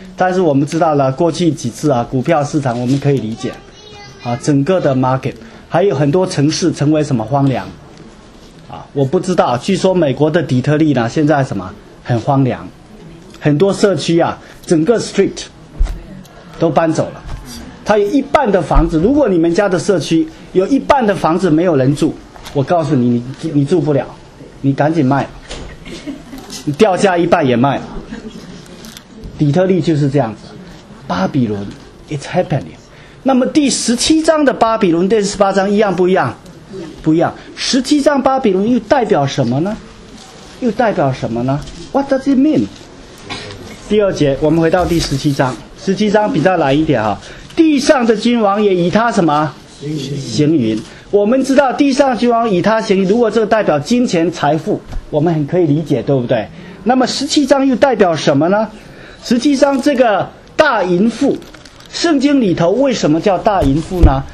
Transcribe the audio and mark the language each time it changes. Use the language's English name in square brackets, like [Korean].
[Chinese] 但是我们知道了过去几次啊，股票市场我们可以理解啊，整个的 market 还有很多城市成为什么荒凉啊，我不知道，据说美国的底特律呢现在什么很荒凉，很多社区啊整个 street 都搬走了，它有一半的房子，如果你们家的社区有一半的房子没有人住，我告诉你，你住不了，你赶紧卖，你掉价一半也卖。底特律就是这样子，巴比伦 ， [English] it's happening。 [Chinese] 那么第十七章的巴比伦，第十八章一样不一样？不一样。十七章巴比伦又代表什么呢？又代表什么呢 ？ [English] What does it mean？ [Chinese] 第二节，我们回到第十七章。十七章比较难一点哈。地上的君王也以他什么行云？我们知道地上君王以他行云，如果这个代表金钱财富，我们很可以理解，对不对？那么十七章又代表什么呢？实际上这个大淫妇，圣经里头为什么叫大淫妇呢？